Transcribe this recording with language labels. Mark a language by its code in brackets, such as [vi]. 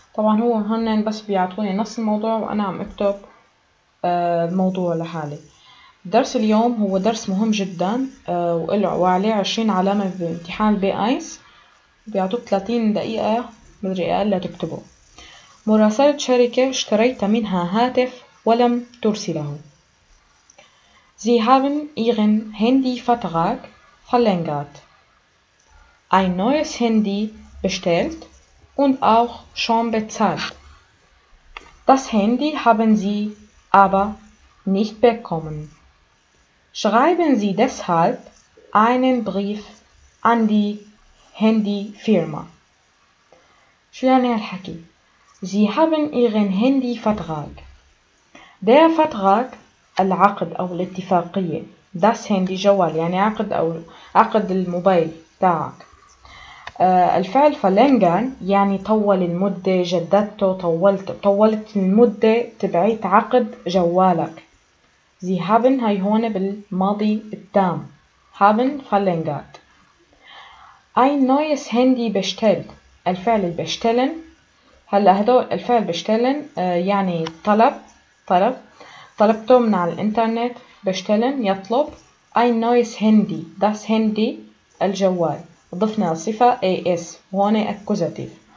[ar] طبعا هو هنن بس بيعطوني نص الموضوع وأنا عم أكتب الموضوع لحالي. درس اليوم هو درس مهم جدا وعليه 20 علامة في امتحان البي أيس، بيعطوك 30 دقيقة مدري أقل لتكتبه. مراسلة شركة اشتريت منها هاتف ولم ترسله. [de] Sie haben Ihren Handyvertrag verlängert. Ein neues Handy bestellt und auch schon bezahlt. Das Handy haben Sie aber nicht bekommen. Schreiben Sie deshalb einen Brief an die Handyfirma. Sie haben Ihren Handyvertrag. Der Vertrag, [ar] العقد أو الاتفاقية. [de] Das Handy, [ar] جوال، يعني عقد أو عقد الموبايل تاعك. الفعل verlängern يعني طول المدة، جددته، طولت المدة تبعيت عقد جوالك. [de] Sie haben, [ar] هاي هون بالماضي التام. [de] Haben verlängert. Ein neues Handy bestellt. [ar] الفعل bestellen. هلا هدول الفعل بشتلن يعني طلبته من على الانترنت. بشتلن يطلب. اي نويس هندي، داس هندي الجوال، ضفنا صفة اي اس وهون اكوزاتيف.